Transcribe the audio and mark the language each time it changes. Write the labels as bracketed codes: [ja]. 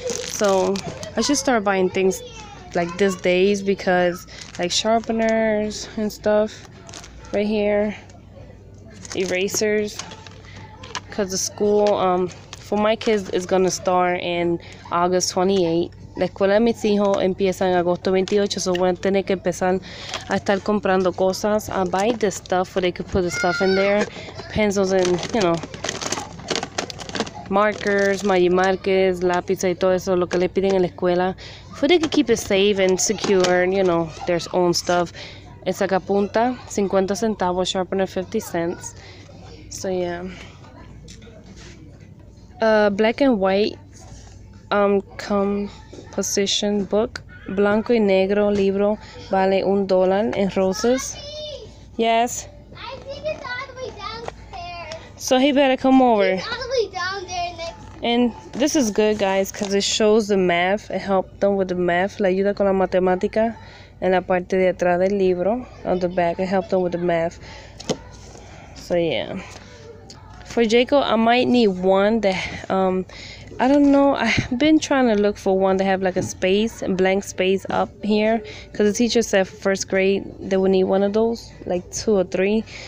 [en] So I should start buying things like these days because like sharpeners and stuff. Right here. Erasers. Because the school for my kids is going to start in August 28th. [es] La escuela de mis hijos empieza en agosto 28, so voy a tener que empezar a estar comprando cosas. [en] I buy the stuff where they could put the stuff in there. Pencils and, you know, markers, Magi Marquez, [es] lápiz y todo eso, lo que le piden en la escuela. [en] For they could keep it safe and secure, you know, their own stuff. [es] El sacapunta, 50 centavos, [en] sharpener, 50 cents. So, yeah. Black and white. Composition book, [es] blanco y negro libro, vale $1 [en] in roses. Mommy, yes. I think it's all the way downstairs. So he better come over. It's all the way down there next. And this is good, guys, because it shows the math. It helped them with the math. [es] La ayuda con la matemática en la parte de atrás del libro. [en] On the back, it helped them with the math. So yeah. For Jacob, I might need one that I don't know. I've been trying to look for one to have like a space, a blank space up here. Because the teacher said first grade, they would need one of those. Like 2 or 3.